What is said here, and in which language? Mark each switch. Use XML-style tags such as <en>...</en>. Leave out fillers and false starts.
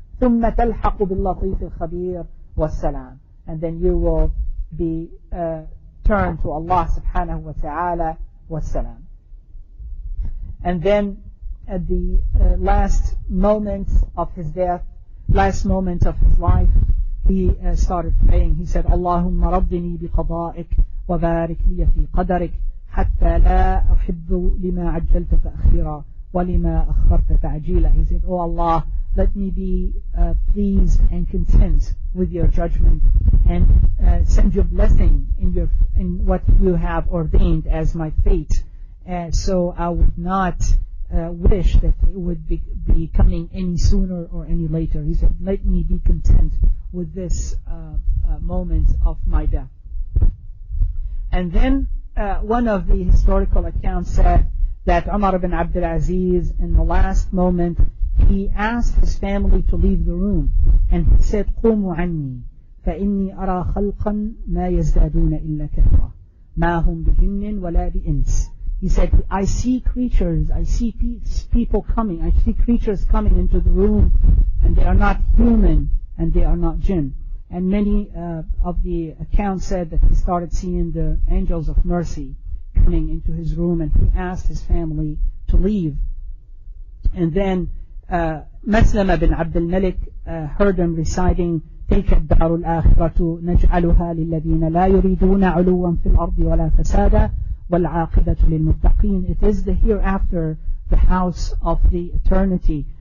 <ar>ثُمَّ تَلْحَقُ بِاللَّطِيفِ الْخَبِيرِ وَالسَّلَامِ.</ar> <en>And then you will be turned to Allah subhanahu wa ta'ala wassalam. And then at the last moments of his death, last moments of his life, he started praying. He said,</en> <ar>اللهم ردني بقضائك وبارك لي في قدرك حتى لا أحب لما عجلت تأخيرا ولما أخرت تعجيلا.</ar> <en>He said, oh Allah, let me be pleased and content with your judgment and send your blessing in what you have ordained as my fate. So I would not wish that it would be coming any sooner or any later. He said, let me be content with this moment of my death. And then one of the historical accounts said that Umar ibn Abdul Aziz, in the last moment, he asked his family to leave the room. And he said,</en> <ar>قوموا عني فإني أرى خلقا ما يزدادون إلا كثرة ما هم بجن ولا بإنس.</ar> <en>He said, I see creatures, I see people coming, I see creatures coming into the room, and they are not human, and they are not jinn. And many of the accounts said that he started seeing the angels of mercy coming into his room, and he asked his family to leave. And then Maslama bin Abdul Malik heard him reciting,</en> <ar>تلك الدار الآخرة نجعلها للذين لا يريدون علوا في الأرض ولا فسادا والعاقبة للمتقين.</ar> <en>It is the hereafter, the house of the eternity.</en>